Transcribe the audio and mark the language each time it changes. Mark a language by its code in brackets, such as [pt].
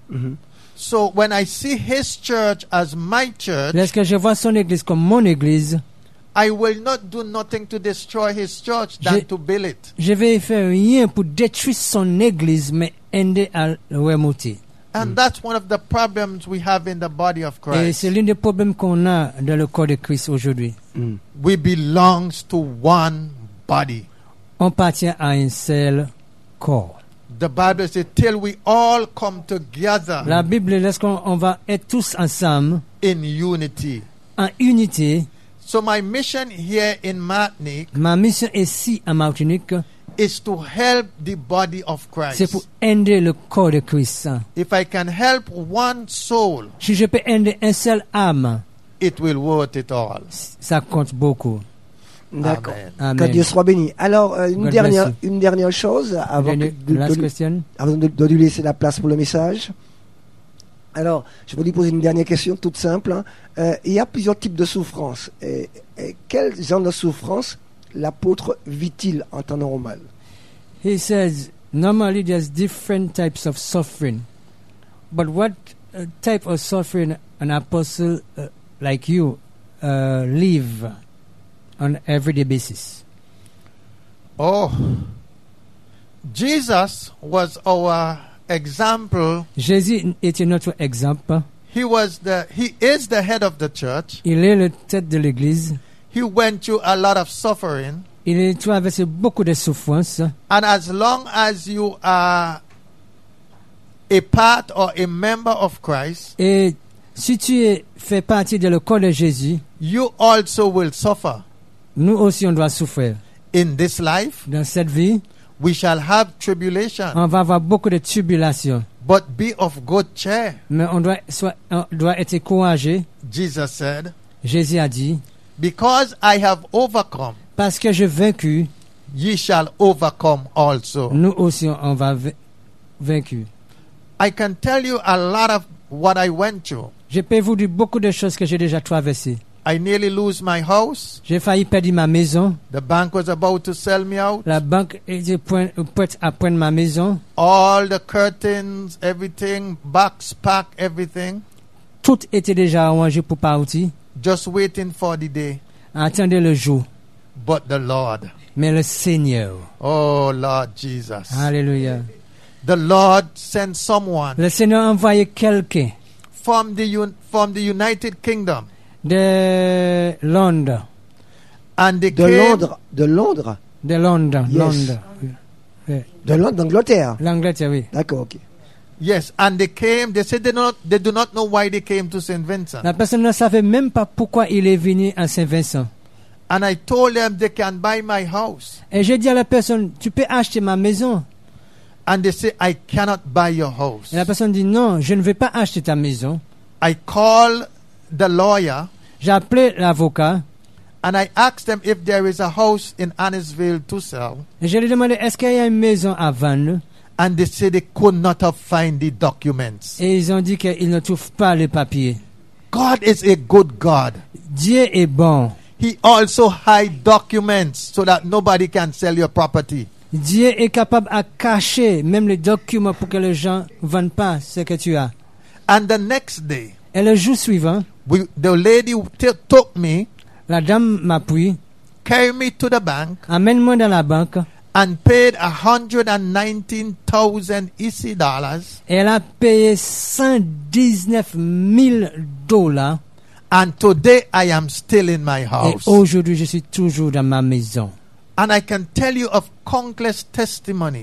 [en] Mm-hmm. So when I see his church as my church, [fr] lorsque je vois son église comme mon église, [en] I will not do nothing to destroy his church than to build it. [fr] Je vais faire rien pour détruire son église, mais aider à remonter. [en] And that's one of the problems we have in the body of Christ. [fr] Et c'est l'un des problèmes qu'on a dans le corps de Christ aujourd'hui. [en] We belong to one body. [fr] On appartient à un seul corps. [en] The Bible says, "Till we all come together." [fr] La Bible dit qu'on va être tous ensemble. [en] In unity. [fr] En unité. [en] So my mission here in Martinique. [fr] Ma mission ici à Martinique. [en] Is to help the body of Christ. [fr] C'est pour aider le corps de Christ. [en] If I can help one soul, [fr] si je peux aider un seul âme, [en] it will worth it all. [fr] Ça compte beaucoup. D'accord. Amen. Que Dieu soit béni. Alors, une dernière chose avant de lui laisser la place pour le message. Alors, je vais lui poser une dernière question toute simple. Il y a plusieurs types de souffrances. Quel genre de souffrance l'apôtre vit-il en temps normal? [en] He says, normally there's different types of suffering. But what type of suffering an apostle like you live on everyday basis? Oh, Jesus was our example. [fr] Jésus était notre exemple. [en] He is the head of the church. [fr] Il est la tête de l'église. [en] He went through a lot of suffering. [fr] Il a traversé beaucoup de souffrances. [en] And as long as you are a part or a member of Christ, [fr] et si tu fais partie de le corps de Jésus, [en] you also will suffer. [fr] Nous aussi on doit souffrir. [en] In this life, [fr] dans cette vie, [en] we shall have tribulation. [fr] On va avoir beaucoup de tribulations. [en] But be of good cheer. [fr] Mais on doit être courageux. [en] Jesus said. [fr] Jésus a dit. [en] Because I have overcome. [fr] Parce que j'ai vaincu. [en] Ye shall overcome also. [fr] Nous aussi on va vaincu. [en] I can tell you a lot of what I went through. [fr] Je peux vous dire beaucoup de choses que j'ai déjà traversées. [en] I nearly lose my house. [fr] J'ai failli perdre ma maison. [en] The bank was about to sell me out. [fr] La banque était prête à prendre ma maison. [en] All the curtains, everything, box packed, everything. [fr] Tout était déjà arrangé pour partir. [en] Just waiting for the day. [fr] Attendez le jour. [en] But the Lord. [fr] Mais le Seigneur. [en] Oh Lord Jesus. Hallelujah. The Lord sent someone. [fr] Le Seigneur a envoyé quelqu'un. [en] From the United Kingdom. [fr] De Londres. [en] And [fr] de Londres. De Londres. De Londres. [en] Yes. [fr] Londres. De Londres, d'Angleterre. L'Angleterre, oui. D'accord, ok. [en] Yes, and they came. They said they do not know why they came to Saint Vincent. [fr] La personne ne savait même pas pourquoi il est venu à Saint Vincent. [en] And I told them they can buy my house. [fr] Et j'ai dit à la personne, tu peux acheter ma maison. [en] And they say I cannot buy your house. [fr] Et la personne dit non, je ne vais pas acheter ta maison. [en] I call the lawyer. [fr] J'ai appelé l'avocat. [en] And I asked them if there is a house in Annisville to sell. [fr] Et je leur demandais, est-ce qu'il y a une maison à vendre? [en] And they said they could not have find the documents. [fr] Et ils ont dit qu'ils ne trouvent pas les papiers. [en] God is a good God. [fr] Dieu est bon. [en] He also hide documents so that nobody can sell your property. [fr] Dieu est capable à cacher même les documents pour que les gens ne vendent pas ce que tu as. [en] And the next day, [fr] et le jour suivant, [en] the lady took me. [fr] La dame m'a pris. [en] Carry me to the bank. [fr] Amène-moi dans la banque. [en] And paid $119,000. [fr] Elle a payé $119,000. [en] And today I am still in my house. [fr] Et aujourd'hui je suis toujours dans ma maison. [en] And I can tell you of countless testimonies.